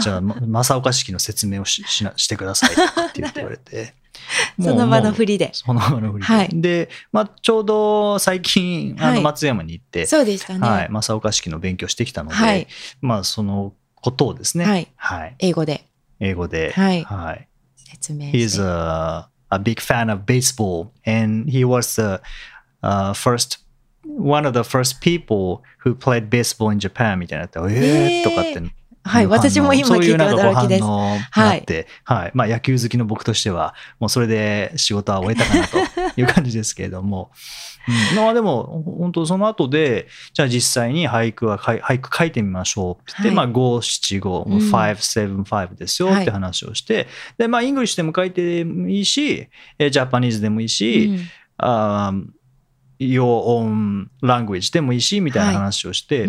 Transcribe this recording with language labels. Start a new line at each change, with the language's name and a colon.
Japanese: じゃあ、ま、正岡子規の説明を してくださいって言って言われて、その場の振りで。その場の振りで。はい、で、ま、ちょうど最近、あの松山に行って、はい、そうでしたね。はい、正岡子規の勉強してきたので、はい、まあ、そのことをですね、はい、はい、英語で。英語で、はい、はい、説明して。
English: He's a big fan of baseball and he was aone of the first people who played baseball in Japan
Japanese: みたいなって、とかって、はい、私も今聞いた驚きです。そういうなんかご反応になって、はい、はい、まあ野球好きの僕としては、もうそれで仕事は終えたかなという感じですけれども、うん、まあでも、本当その後で、じゃあ実際に俳句書いてみましょうって、はい、まあ5、7、5、5、7、5ですよって話をして、うん、で、まあイングリッシュでも書いてもいいし、ジャパニーズでもいいし、うん、
English: Your own language
Japanese: でもいいしみたいな話をして、はい、